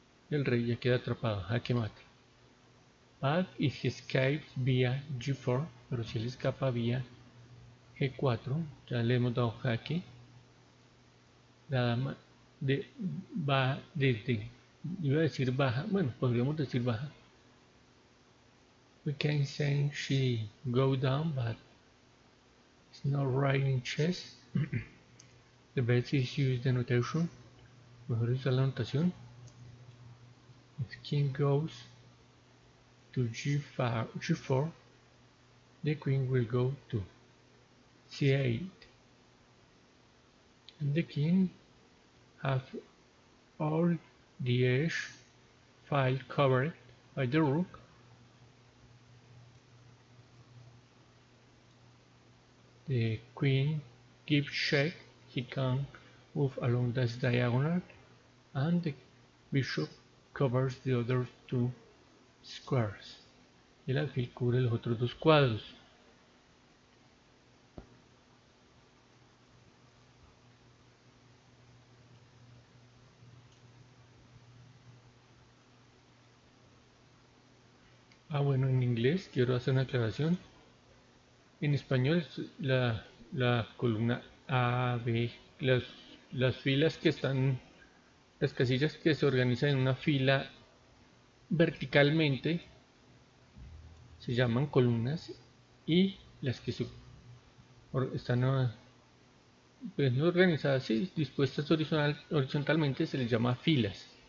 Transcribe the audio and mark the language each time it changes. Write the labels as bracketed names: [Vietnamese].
[Spanish] Y el rey ya queda atrapado, jaque mate. [English] But if he escapes vía G4, [Spanish] pero si él escapa vía G4, ya le hemos dado jaque. La dama va desde, iba a decir baja, bueno, podríamos decir baja. [English] We can say she go down, but it's not right in chess. The best is use the notation. [Spanish] Mejor usar la notación. [English] If king goes to G4, the queen will go to C8. And the king have all the h file covered by the rook. The queen gives check, he can move along this diagonal, and the bishop covers the other two squares. [Spanish] Y el alfil cubre los otros dos cuadros. Bueno, en inglés quiero hacer una aclaración. En español, la columna A, B, las filas que están, las casillas que se organizan en una fila verticalmente se llaman columnas, y las que están pues, organizadas así, dispuestas horizontalmente, se les llama filas.